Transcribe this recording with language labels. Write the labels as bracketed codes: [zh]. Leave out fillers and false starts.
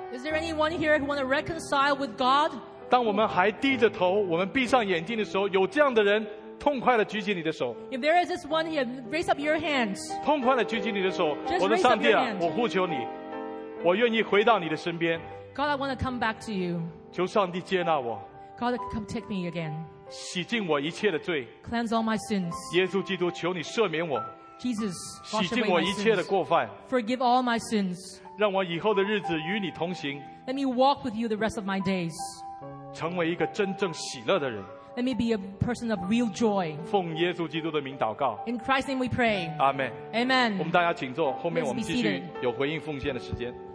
[en] Is there anyone here who want to reconcile with God? [zh] 当我们还低着头，我们闭上眼睛的时候，有这样的人，痛快的举起你的手。 [en] If there is this one here, raise up your hands. [zh] 痛快的举起你的手。 [en] Just、 [zh] 我的上帝啊，我呼求你，我愿意回到你的身边。 [en] God, I want to come back to you. [zh] 求上帝接纳我。 [en] God, come take me again. [zh] 洗净我一切的罪。 [en] Cleanse all my sins. [zh] 耶稣基督，求你赦免我。 [en] Jesus, [zh] 洗净我一切的过犯。 [en] Forgive all my sins. [zh] 让我以后的日子与你同行。 [en] Let me walk with you the rest of my days. [zh] 成为一个真正喜乐的人。 [en] Let me be a person of real joy. [zh] 奉耶稣基督的名祷告。 [en] In Christ's name we pray. Amen. Amen. [zh] 我们大家请坐，后面我们继续有回应奉献的时间。